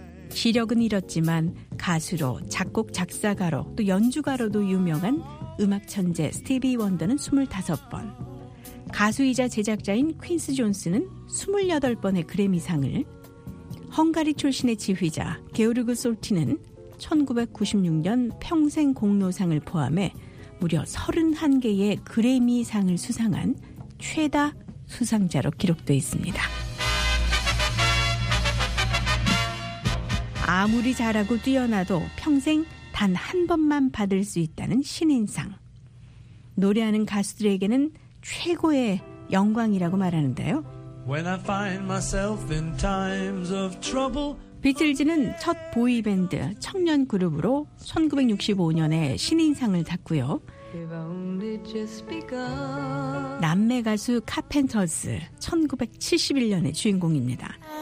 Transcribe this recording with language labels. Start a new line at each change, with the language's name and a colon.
Korean: 시력은 잃었지만 가수로, 작곡 작사가로, 또 연주가로도 유명한 음악 천재 스티비 원더는 25번, 가수이자 제작자인 퀸스 존스는 28번의 그래미상을, 헝가리 출신의 지휘자 게오르그 솔티는 1996년 평생 공로상을 포함해 무려 31개의 그래미상을 수상한 최다 수상자로 기록되어 있습니다. 아무리 잘하고 뛰어나도 평생 단 한 번만 받을 수 있다는 신인상. 노래하는 가수들에게는 최고의 영광이라고 말하는데요.
English: When I find myself in times of trouble.
Korean: 비틀즈는 첫 보이밴드, 청년 그룹으로 1965년에 신인상을 탔고요. 남매 가수 카펜터즈, 1971년의 주인공입니다.